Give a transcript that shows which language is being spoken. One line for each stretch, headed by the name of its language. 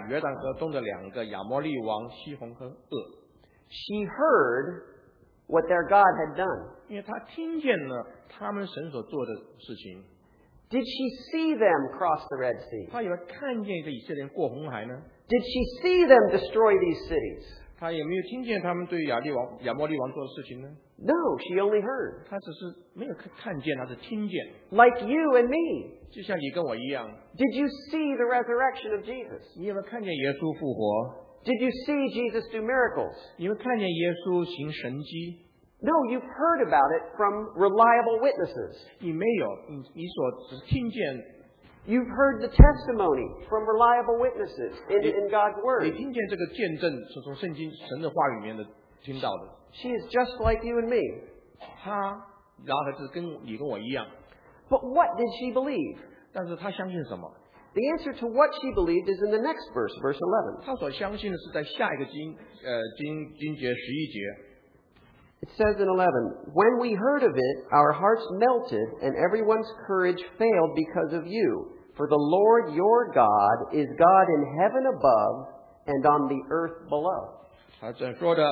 Chinese: 是在第十节，因为我们听见你们出埃及的时候，耶和华怎样在你们面前是洪水的，是红海水干呢？并且你们怎样在约旦河东的两个亚摩利王西宏和噩。
English: She heard what their God had done.
Chinese: 因为她听见了他们神所做的事情。
English: Did she see them cross the Red Sea?
Chinese: 她有没有看见这以色列人过红海呢？
English: Did she see them destroy these cities?
Chinese: 她有没有听见他们对亚摩利王做的事情呢？
English: No, she only heard.
Chinese: 她只是没有看见，她是听见。
English: Like you and me.
Chinese: 就像你跟我一样。
English: Did you see the resurrection of Jesus?
Chinese: 你有没有看见耶稣复活？
English: Did you see Jesus do miracles?
Chinese: 你有没有看见耶稣行神迹？
English: No, you've heard about it from reliable witnesses.
Chinese: 你没有，你所只听见。
English: You've heard the testimony from reliable witnesses in God's Word.
Chinese: 你听见这个见证是从圣经神的话语里面的听到的。
English: She is just like you and me.
Chinese: 她，然后是跟你跟我一样。
English: But what did she believe?
Chinese: 但是她相信什么？
English: The answer to what she believed is in the next verse, verse 11.
Chinese: 她所相信的是在下一个经节11节。
English: It says in 11, When we heard of it, our hearts melted, and everyone's courage failed because of you. For the Lord your God is God in heaven above and on the earth below.